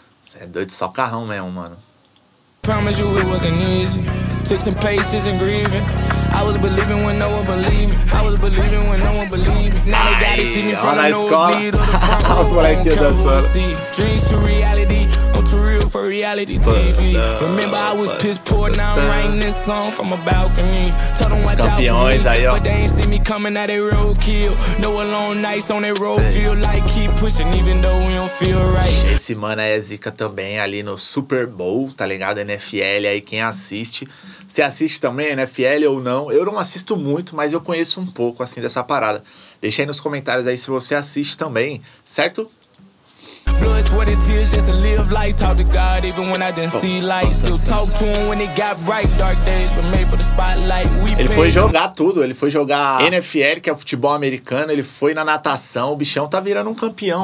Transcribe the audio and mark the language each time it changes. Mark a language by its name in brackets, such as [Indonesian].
[Portuguese] Cê é doido, só carrão mesmo, mano. [English] Promise you it wasn't easy. Took some paces and grieving. I was believing when no one believed me. I was believing when no one believed me. Now they gotta see me from the lead of the front row. Don't count who I see. Dreams to reality. I'm too real for reality TV. Remember I was piss poor. Now I'm writing this song from a balcony. Tell them watch out for me. But they ain't see me coming out of road kill. No alone nights on that road. Feel like keep pushing even though we don't feel right. [Portuguese] Esse mano é zica também ali no Super Bowl, tá ligado? NFL aí, quem assiste. Você assiste também NFL ou não? Eu não assisto muito, mas eu conheço um pouco assim dessa parada. Deixa aí nos comentários aí se você assiste também, certo? [English] Blood, sweat, and tears just to live life. Talk to God even when I didn't see light. Still talk to him when it got bright. Dark days were made for the spotlight. [Portuguese] We ele foi jogar tudo, ele foi jogar NFL, que é o futebol americano. Ele foi na natação, o bichão tá virando um campeão.